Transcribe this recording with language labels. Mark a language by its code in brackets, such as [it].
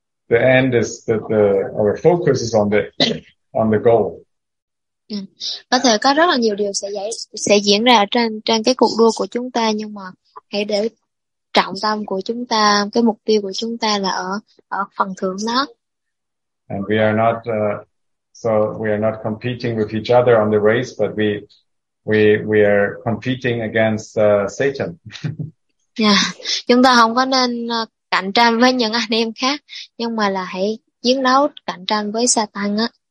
[en] The end is that our focus is on the goal. [vi] Có thể có rất là nhiều điều sẽ diễn ra trên cái cuộc đua của chúng ta, nhưng mà hãy để trọng tâm của chúng ta, cái mục tiêu của chúng ta là ở phần thưởng đó. [en] And we are not so we are not competing with each other on the race, but we are competing against Satan. Yeah. [vi] Chúng ta không có nên cạnh tranh với những anh em khác, nhưng mà là hãy chiến đấu cạnh tranh với Satan á.